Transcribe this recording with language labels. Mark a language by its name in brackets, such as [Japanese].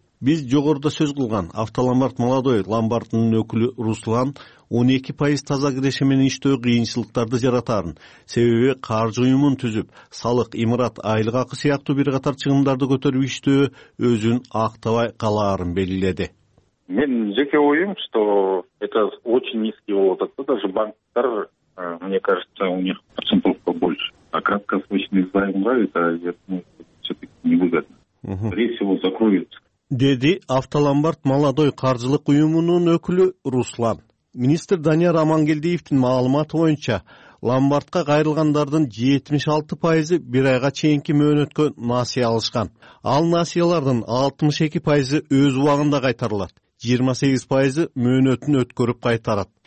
[Kyrgyz] Биз жогоруда сөз кылган автоломбард Молодой ломбардынын өкүлү Руслан 12% таза киреше менен иштөө кыйынчылыктарды жаратарын, себеби каржы уюмун түзүп, салык, имарат, айлык акы сыяктуу бир катар чыгымдарды көтөрүп иштөө өзүн актабай калаарын белгиледи. Мен жеке оюм, [Russian] что это очень низкий [Kyrgyz] болуп атат да, [Russian] даже [Kyrgyz] банктар, [Russian] мне кажется, у них процентов побольше. А краткосрочный займ, это невыгодно. Скорее всего, закроются. [Kyrgyz] Деди автоломбард Молодой каржылык уюмунун өкүлү Руслан. Министр Данияр Амангелдиевдин маалыматы боюнча ломбардка кайрылгандардын 76% бир айга чейинки мөөнөткө насыя алышкан. Ал насыялардын 62% өз убагында кайтарылат, 28% мөөнөтүн өткөрүп кайтарат.